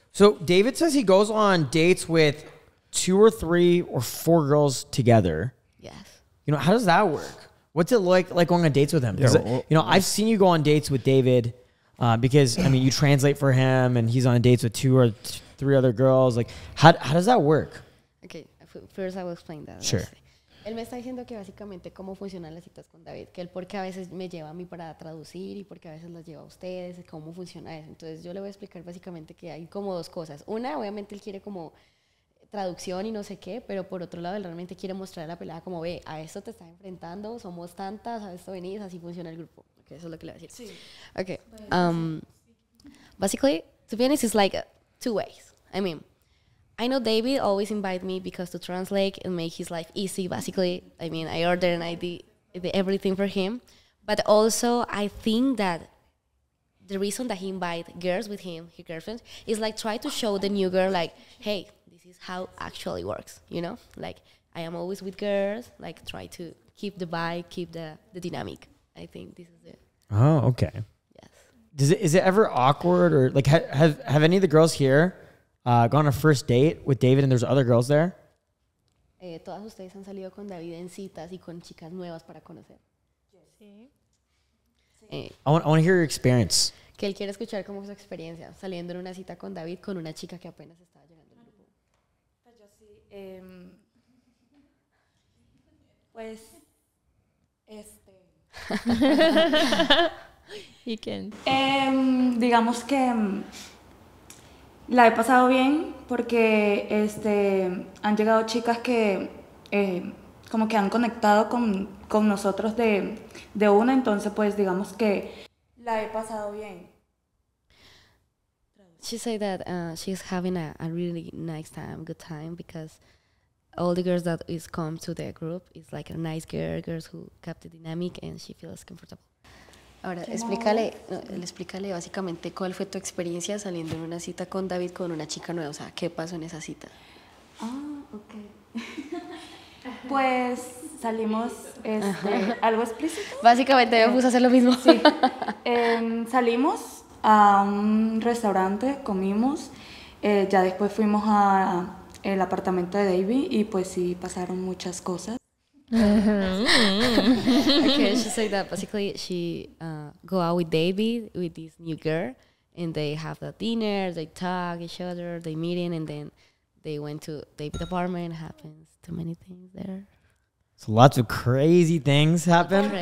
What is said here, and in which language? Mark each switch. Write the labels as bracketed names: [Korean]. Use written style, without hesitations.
[English] So David says he goes on dates with 2 or 3 or 4 girls together. Yes. You know, how does that work? What's it like going on dates with him? Yeah, I've seen you go on dates with David because, I mean, you translate for him and he's on dates with 2 or 3 other girls. Like, how does that work? Okay. First, I will explain that. Sure. [Spanish] Él me está diciendo que básicamente cómo funcionan las citas con David, que él porque a veces me lleva a mí para traducir y porque a veces las lleva a ustedes, cómo funciona eso. Entonces yo le voy a explicar básicamente que hay como dos cosas. Una, obviamente él quiere como traducción y no sé qué, pero por otro lado él realmente quiere mostrar a la pelada como, ve, a esto te estás enfrentando, somos tantas, a esto venís, así funciona el grupo. Okay, eso es lo que le voy a decir. Sí. [English] Ok. Basically, to be honest, it's like two ways. I mean, I know David always invite me because to translate and make his life easy, basically. I mean, I order and I did everything for him. But also, I think that the reason that he invite girls with him, his girlfriend, is like try to show the new girl like, hey, this is how actually works, you know? Like, I am always with girls, like try to keep the vibe, keep the dynamic. I think this is it. Oh, okay. Yes. Is it ever awkward or like have any of the girls here go on a first date with David and there's other girls there? [Spanish] Todas ustedes han salido con David en citas y con chicas nuevas para conocer. Sí. [English] I want to hear your experience. [Spanish] Que él quiere escuchar cómo fue su experiencia saliendo en una cita con David con una chica que apenas estaba llegando al grupo. Yo sí. Pues, este. [English] He can't. [Spanish] Digamos que la he pasado bien porque han llegado chicas que como que han conectado con nosotros de una, entonces pues digamos que la he pasado bien. [English] She said that she's having a really nice time, good time, because all the girls that is come to the group is like a nice girls who kept the dynamic and she feels comfortable. [Spanish] Ahora, explícale básicamente cuál fue tu experiencia saliendo en una cita con David con una chica nueva. O sea, ¿qué pasó en esa cita? Ah, ok. Pues salimos, ¿algo explícito? Básicamente me puse a hacer lo mismo. Sí. Salimos a un restaurante, comimos, ya después fuimos al apartamento de David y pues sí, pasaron muchas cosas. [English] Okay, she said that basically she go out with David with this new girl and they have the dinner, they talk each other, they meeting, and then they went to David's apartment. Happens too many things there. So lots of crazy things happen.